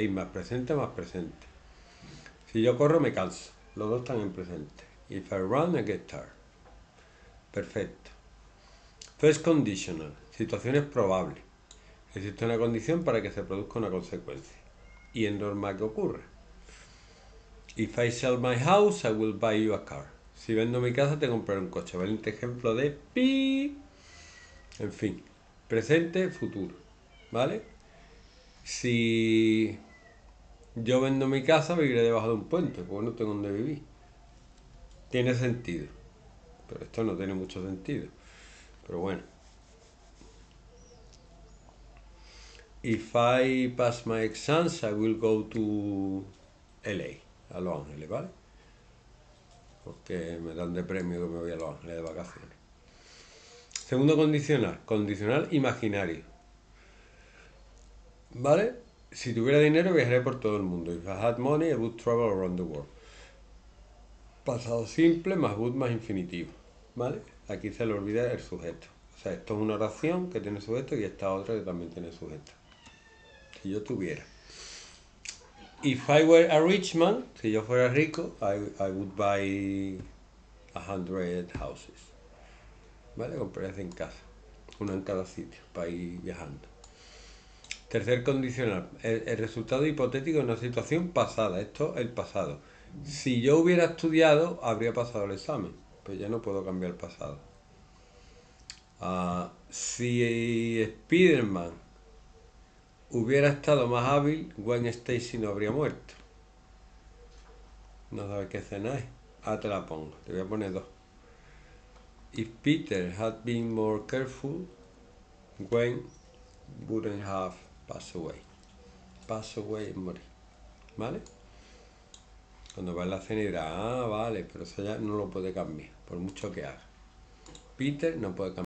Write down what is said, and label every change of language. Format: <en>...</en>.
<es>Y más presente, más presente. Si yo corro, me canso. Los dos están en presente.</es> <en>If I run, I get tired.</en> <es>Perfecto.</es> <en>First conditional.</en> <es>Situaciones probables. Existe una condición para que se produzca una consecuencia. Y es normal que ocurra.</es> <en>If I sell my house, I will buy you a car.</en> <es>Si vendo mi casa, te compraré un coche. Valiente ejemplo de pi. En fin, presente, futuro. ¿Vale? Si yo vendo mi casa, viviré debajo de un puente, porque no tengo dónde vivir. Tiene sentido. Pero esto no tiene mucho sentido. Pero bueno.</es> <en>If I pass my exams, I will go to LA.</en> <es>A Los Ángeles, ¿vale? Porque me dan de premio que me voy a Los Ángeles de vacaciones. Segundo condicional, condicional imaginario. ¿Vale? Si tuviera dinero, viajaría por todo el mundo.</es> <en>If I had money, I would travel around the world.</en> <es>Pasado simple, más would, más infinitivo. ¿Vale? Aquí se le olvida el sujeto. O sea, esto es una oración que tiene sujeto y esta otra que también tiene sujeto. Si yo tuviera.</es> <en>If I were a rich man,</en> <es>si yo fuera rico,</es> <en>I would buy 100 houses.</en> <es>¿Vale? Compraría 100 casas. Una en cada sitio, para ir viajando. Tercer condicional. El resultado hipotético de una situación pasada. Esto es el pasado. Si yo hubiera estudiado, habría pasado el examen. Pues ya no puedo cambiar el pasado. Si Spiderman hubiera estado más hábil, Gwen Stacy no habría muerto. No sabes qué escena es. Ah, te la pongo. Te voy a poner dos.</es> <en>If Peter had been more careful, Gwen wouldn't have passed away.</en> <es>Pass away, morir. ¿Vale? Cuando va en la escena dirá, ah, vale, pero eso ya no lo puede cambiar, por mucho que haga. Peter no puede cambiar.</es>